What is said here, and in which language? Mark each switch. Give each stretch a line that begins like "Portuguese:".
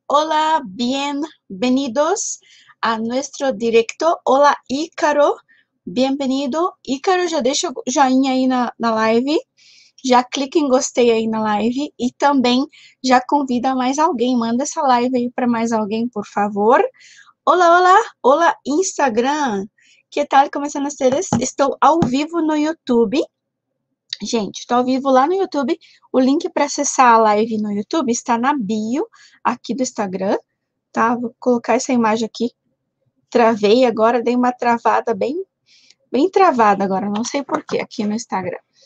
Spanish: Hola, bienvenidos a nuestro directo. Hola, Ícaro, bienvenido.
Portuguese: Ícaro, já deixa o joinha aí na live, já clica em gostei aí na live e também já convida mais alguém. Manda essa live aí para mais alguém, por favor.
Spanish: Hola, hola, hola, Instagram, ¿qué tal? ¿Cómo están ustedes?
Portuguese: Estou ao vivo no YouTube. Gente, estou ao vivo lá no YouTube. O link para acessar a live no YouTube está na bio aqui do Instagram, tá? Vou colocar essa imagem aqui. Travei agora, dei uma travada bem travada agora, não sei por quê, aqui no Instagram.